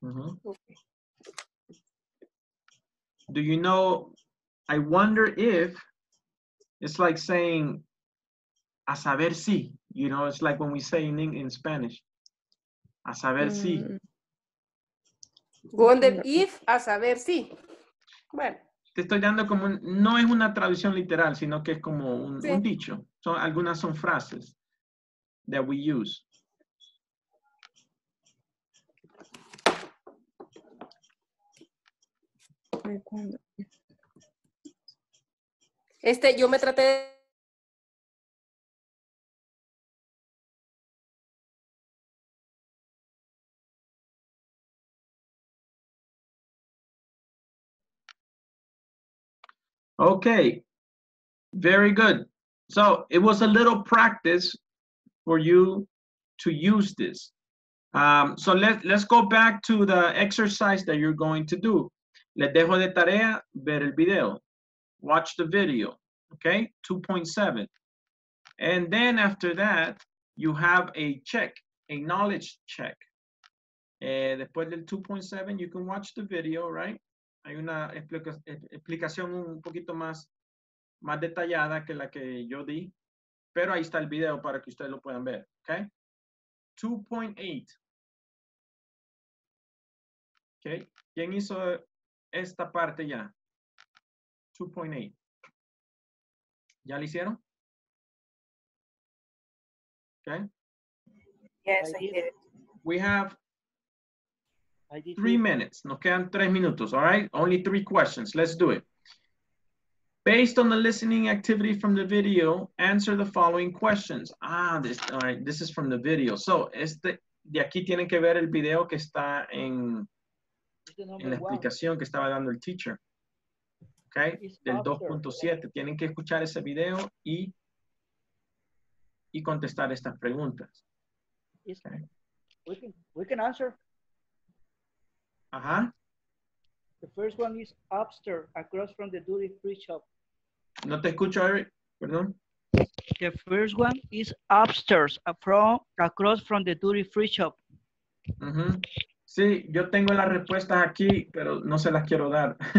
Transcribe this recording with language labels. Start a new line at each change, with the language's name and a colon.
English: Mm-hmm. Do you know, I wonder if, it's like saying,
Spanish: a saber si.
English: You know, it's like when we say in Spanish,
Spanish: a saber si.
English: Wonder if,
Spanish: a saber si. Bueno. Te estoy dando como, no es una traducción literal, sino que es como un dicho. Algunas son frases
English: that we use.
Spanish: Yo me traté de...
English: Okay, very good. So it was a little practice for you to use this. So let's go back to the exercise that you're going to do.
Spanish: Les dejo de tarea ver el video.
English: Watch the video, okay?
Spanish: 2.7.
English: And then after that, you have a check, a knowledge check.
Spanish: Después del
English: 2.7, you can watch the video, right?
Spanish: Hay una explicación un poquito más detallada que la que yo di, pero ahí está el video para que ustedes lo puedan ver, okay?
English: 2.8.
Spanish: Okay, ¿quién hizo esta parte ya? 2.8. ¿Ya la hicieron?
English: Okay. Yes, I did. We have 3 minutes.
Spanish: Nos quedan 3 minutos,
English: all right? Only 3 questions. Let's do it. Based on the listening activity from the video, answer the following questions. This is from the video.
Spanish: So, de aquí tienen que ver el video que está en la explicación que estaba dando el teacher. Okay? Del 2.7. Tienen que escuchar ese video y contestar estas preguntas.
English: Okay. We can answer. Uh-huh. The first one is upstairs across from the duty free shop.
Spanish: No te escucho, Eric. Perdón.
English: The first one is upstairs across from the duty free shop. Mm-hmm.
Spanish: Sí, yo tengo las respuestas aquí, pero no se las quiero dar.